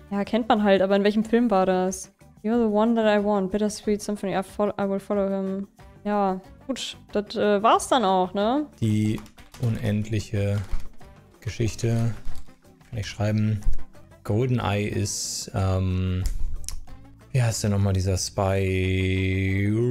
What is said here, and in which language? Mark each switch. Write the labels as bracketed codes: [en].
[de] Ja, kennt man halt, aber in welchem Film war das? [en] You're the one that I want, Bittersweet Symphony, I will follow him. [de] Ja, gut, das war's dann auch, ne? Die unendliche Geschichte kann ich schreiben. GoldenEye ist, wie heißt denn nochmal dieser Spy?